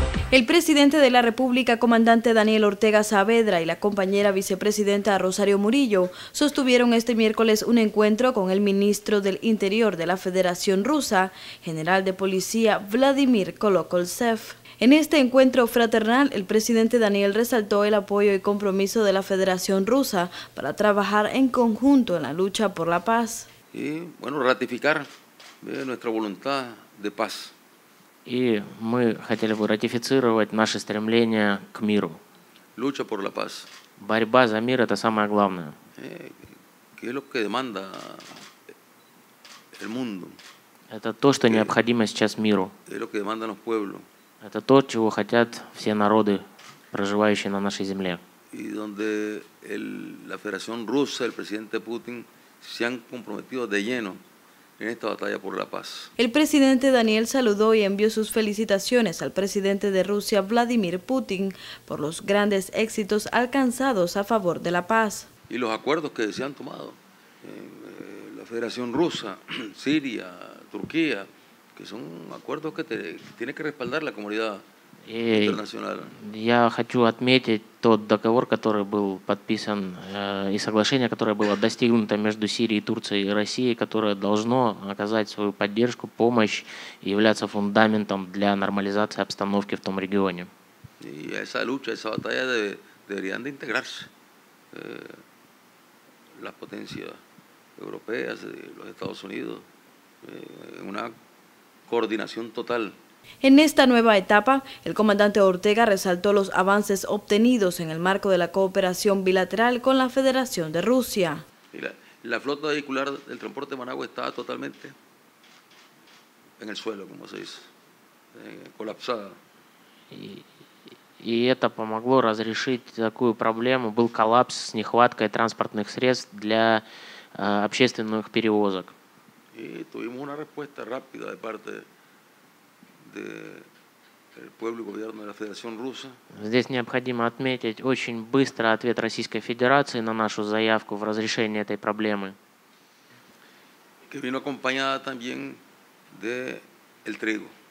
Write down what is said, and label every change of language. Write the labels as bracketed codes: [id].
[es] El presidente de la República, comandante Daniel Ortega Saavedra, y la compañera vicepresidenta Rosario Murillo sostuvieron este miércoles un encuentro con el ministro del Interior de la Federación Rusa, general de policía Vladimir Kolokoltsev. En este encuentro fraternal, el presidente Daniel resaltó el apoyo y compromiso de la Federación Rusa para trabajar en conjunto en la lucha por la paz. Y bueno, ratificar nuestra voluntad de paz. [ru] И мы хотели бы ратифицировать наше стремление к миру. [es] Lucha por la paz. [ru] Борьба за мир – это самое главное. [es] ¿Qué es lo que demanda el mundo? [ru] Это то, что необходимо сейчас миру. [es] ¿Qué es lo que demanda los pueblos? [ru] Это то, чего хотят все народы, проживающие на нашей земле. [es] Y donde la Federación Rusa, el presidente Putin, se han comprometido de lleno. En esta batalla por la paz. El presidente Daniel saludó y envió sus felicitaciones al presidente de Rusia, Vladimir Putin, por los grandes éxitos alcanzados a favor de la paz. Y los acuerdos que se han tomado, la Federación Rusa, Siria, Turquía, que son acuerdos que tiene que respaldar la comunidad internacional. [ru] Я хочу отметить тот договор, который был подписан, и соглашение, которое было достигнуто между Сирией, Турцией и Россией, которое должно оказать свою поддержку, помощь и являться фундаментом для нормализации обстановки в том регионе. И эта [es] lucha, [ru] эта [es] batalla deberían de integrarse las potencias europeas, los Estados Unidos, en una coordinación total. En esta nueva etapa, el comandante Ortega resaltó los avances obtenidos en el marco de la cooperación bilateral con la Federación de Rusia. La flota vehicular del transporte de Managua está totalmente en el suelo, como se dice, colapsada. Y [ru] это помогло разрешить такую проблему. Был коллапс с нехваткой транспортных средств для общественных перевозок. [es] Y tuvimos una respuesta rápida de parte de el pueblo y gobierno de la Federación Rusa. [ru] Здесь необходимо отметить очень быстрый ответ Российской Федерации на нашу заявку в разрешении этой проблемы. [es] Que vino acompañada también de el trigo.